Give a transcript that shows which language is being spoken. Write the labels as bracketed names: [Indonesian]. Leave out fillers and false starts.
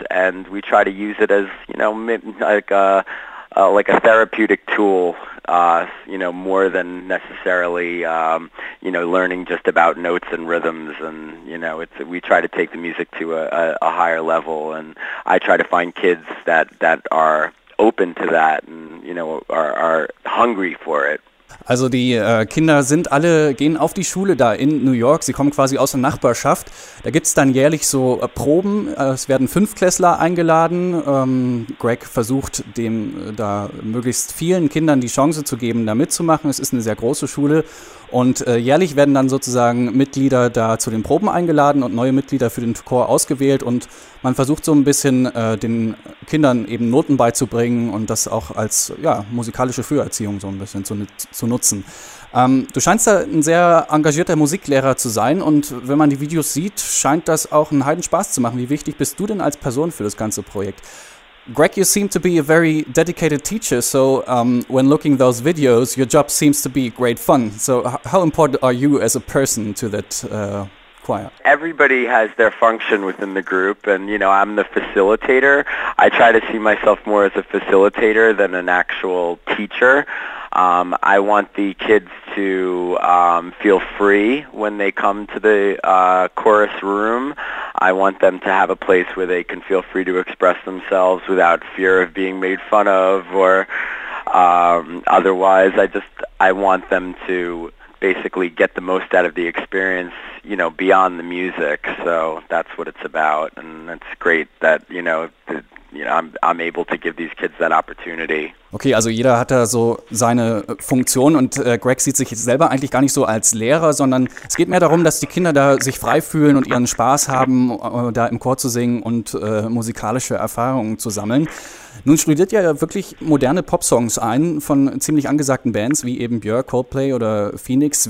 [English] And we try to use it as, you know, like a therapeutic tool, you know, more than necessarily, you know, learning just about notes and rhythms. And, you know, we try to take the music to a higher level. And I try to find kids that are open to that and, you know, are hungry for it. [German] Also die Kinder sind alle, gehen auf die Schule da in New York. Sie kommen quasi aus der Nachbarschaft. Da gibt es dann jährlich so Proben. Es werden 5 Klässler eingeladen. Greg versucht dem da möglichst vielen Kindern die Chance zu geben, da mitzumachen. Es ist eine sehr große Schule. Und jährlich werden dann sozusagen Mitglieder da zu den Proben eingeladen und neue Mitglieder für den Chor ausgewählt. Und man versucht so ein bisschen den Kindern eben Noten beizubringen und das auch als, ja, musikalische Früherziehung so ein bisschen zu nutzen. Du scheinst da ein sehr engagierter Musiklehrer zu sein, und wenn man die Videos sieht, scheint das auch einen Heidenspaß zu machen. Wie wichtig bist du denn als Person für das ganze Projekt? [English] Greg, you seem to be a very dedicated teacher, so when looking at those videos, your job seems to be great fun. So how important are you as a person to that choir? Everybody has their function within the group, and, you know, I'm the facilitator. I try to see myself more as a facilitator than an actual teacher. I want the kids to feel free when they come to the chorus room. I want them to have a place where they can feel free to express themselves without fear of being made fun of or otherwise. I want them to basically get the most out of the experience, you know, beyond the music. So that's what it's about, and it's great that, you know, I'm able to give these kids that opportunity. [German] Okay, also jeder hat da so seine Funktion und Greg sieht sich selber eigentlich gar nicht so als Lehrer, sondern es geht mehr darum, dass die Kinder da sich frei fühlen und ihren Spaß haben, da im Chor zu singen und musikalische Erfahrungen zu sammeln. Nun studiert ihr ja wirklich moderne Popsongs ein von ziemlich angesagten Bands wie eben Björk, Coldplay oder Phoenix.